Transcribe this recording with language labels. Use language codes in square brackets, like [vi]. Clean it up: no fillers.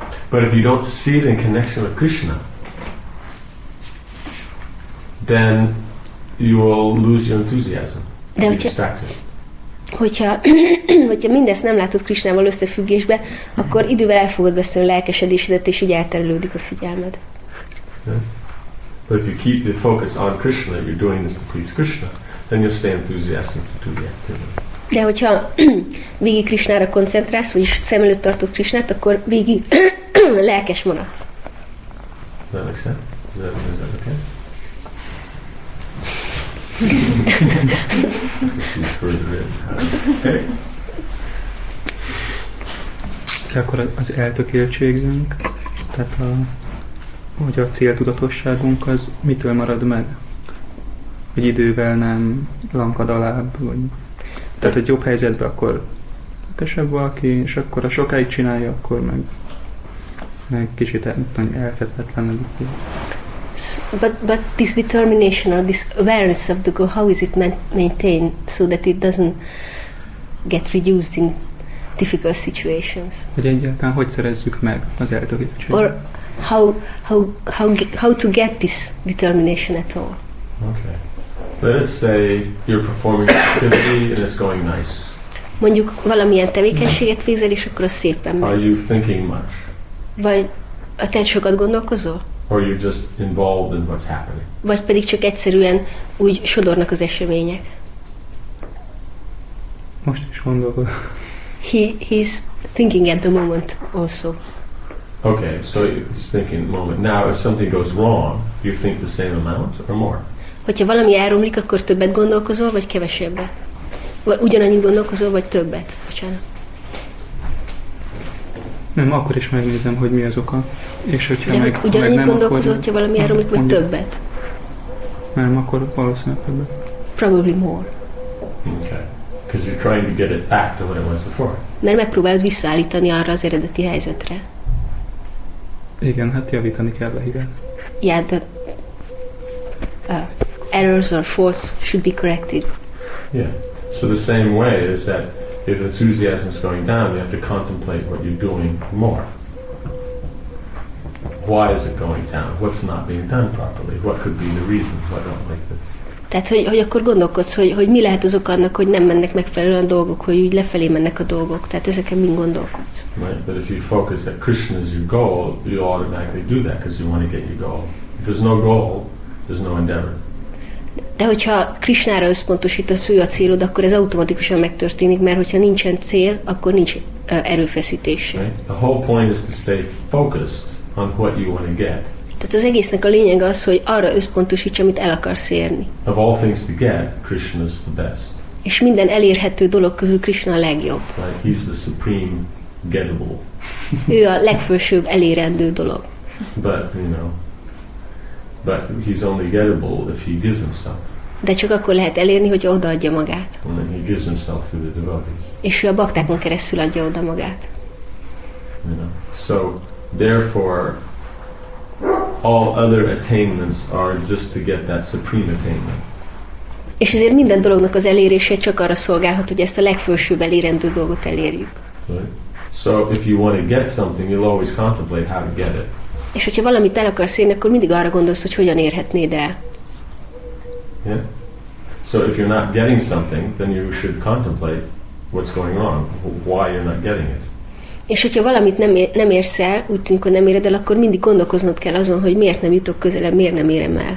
[en] but if you don't see it in connection with Krishna, then you will lose your enthusiasm. [hu] Hogyha mindezt nem látod Krishnával összefüggésbe, akkor idővel el fogod veszteni a lelkesedésedet, és így elterelődik a figyelmed. [en] Yeah. But if you keep the focus on Krishna, you're doing this to please Krishna, then you'll stay enthusiastic to do the activity. [hu] De hogyha végig Krishnára koncentrálsz, vagyis szem előtt tartod Krishnát, akkor végig lelkes maradsz. [en] Does that make sense? Is that okay? This is for the okay. [hu] akkor az eltökéltségünk, tehát a, hogy a céltudatosságunk az mitől marad meg? Hogy idővel nem lankad alább, vagy... Tehát egy jobb helyzetben akkor tökesebb valaki, és akkor a sokáig csinálja, akkor meg, meg kicsit elfetetlenedik. [en] But this determination or this awareness of the goal, how is it maintained so that it doesn't get reduced in difficult situations? [hu] Hogy egyáltalán hogy szerezzük meg az eltökéltséget? [en] Or how to get this determination at all? Okay. Let us say you're performing activity and it's going nice. [hu] Mondjuk valamilyen tevékenységet végzel, és akkor az szépen megy. [en] Are you thinking much? [hu] Vagy te sokat gondolkozol? [en] Or you're just involved in what's happening. [hu] Vagy pedig csak egyszerűen úgy sodornak az események. Most is gondolkod. [en] He's thinking at the moment also. Okay, so he's thinking at the moment. Now if something goes wrong, you think the same amount or more? [hu] Hogyha valami elromlik, akkor többet gondolkozol, vagy kevesebbet? Vagy ugyanannyi gondolkozol, vagy többet? Bocsánat. Nem, akkor is megnézem, hogy mi az oka. És hogyha de meg, ugyanannyi meg nem, gondolkozol, akkor, hogyha valami elromlik, vagy többet? Nem, akkor valószínűleg többet. [en] Probably more. Okay. Because you're trying to get it back to what it was before. [hu] Mert megpróbálod visszaállítani arra az eredeti helyzetre. Igen, hát javítani kell be, igen. [en] Yeah, the errors or faults should be corrected. Yeah. So the same way is that if enthusiasm is going down, you have to contemplate what you're doing more. Why is it going down? What's not being done properly? What could be the reason why I don't like this? [hu] Tehát, hogy akkor gondolkodsz, hogy mi lehet az oka annak, hogy nem mennek megfelelően a dolgok, hogy úgy lefelé mennek a dolgok. Tehát ezeken mind gondolkodsz. [en] Right, but if you focus that Krishna is your goal, you automatically do that because you want to get your goal. If there's no goal, there's no endeavor. [hu] De hogyha Krishnára összpontosítasz, ő a célod, akkor ez automatikusan megtörténik, mert hogyha nincsen cél, akkor nincs erőfeszítés. [en] Right? The whole point is to stay focused on what you want to get. [hu] Tehát az egésznek a lényege az, hogy arra összpontosíts, amit el akarsz érni. [en] Of all things to get, Krishna is the best. [hu] És minden elérhető dolog közül Krishna a legjobb. [en] Right? He's the supreme gettable. [hu] Ő a legfelsőbb elérendő dolog. [en] But, you know, but he's only gettable if he gives himself. [hu] De csak akkor lehet elérni, hogyha odaadja magát. [en] And then he gives himself through the devotees. [hu] És ő a baktákon keresztül adja oda magát. [en] You know? So, therefore, all other attainments are just to get that supreme attainment. [hu] És ezért minden dolognak az elérése csak arra szolgálhat, hogy ezt a legfelsőbb elérendő dolgot elérjük. [en] Right. So if you want to get something, you'll always contemplate how to get it. [hu] És hogyha valamit el akarsz érni, akkor mindig arra gondolsz, hogy hogyan érhetnéd el. [en] Yeah. So if you're not getting something, then you should contemplate what's going on, why you're not getting it. [hu] És hogyha valamit nem érsz el, úgy tűnik, hogy nem éred el, akkor mindig gondolkoznod kell azon, hogy miért nem jutok közelebb, miért nem érem el.